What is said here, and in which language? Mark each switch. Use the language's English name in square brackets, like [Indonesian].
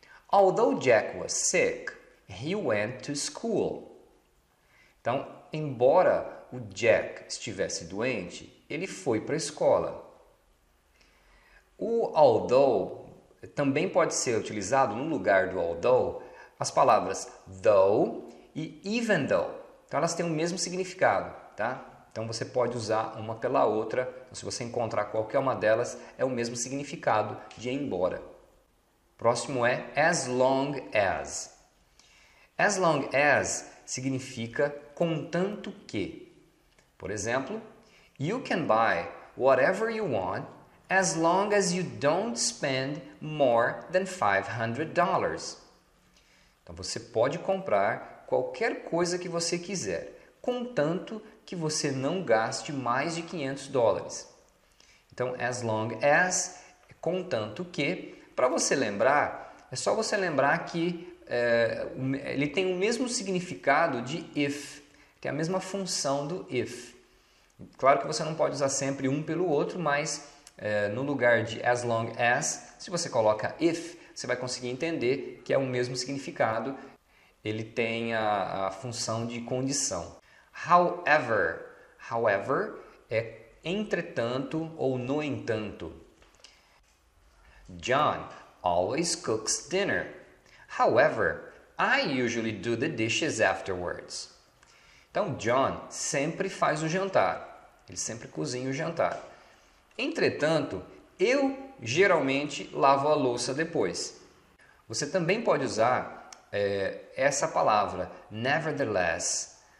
[English] Although Jack was sick, he went to school. [Portuguese] Então, embora o Jack estivesse doente, ele foi para a escola. O although também pode ser utilizado no lugar do although as palavras though e even though. Então, elas têm o mesmo significado, tá? Então, você pode usar uma pela outra. Então, se você encontrar qualquer uma delas, é o mesmo significado de embora. Próximo é as long as. As long as significa contanto que. Por exemplo, [English] you can buy whatever you want as long as you don't spend more than $500. [Portuguese] Então você pode comprar qualquer coisa que você quiser, contanto que você não gaste mais de US$ 500. Então, as long as é contanto que. Para você lembrar, é só você lembrar que ele tem o mesmo significado de if, tem a mesma função do if. Claro que você não pode usar sempre um pelo outro, mas no lugar de as long as, se você coloca if, você vai conseguir entender que é o mesmo significado, ele tem a função de condição. However, however é entretanto ou no entanto. [English] John always cooks dinner. However, I usually do the dishes afterwards. [Portuguese] Então, John sempre faz o jantar. Ele sempre cozinha o jantar. Entretanto, eu geralmente lavo a louça depois. Você também pode usar essa palavra, nevertheless.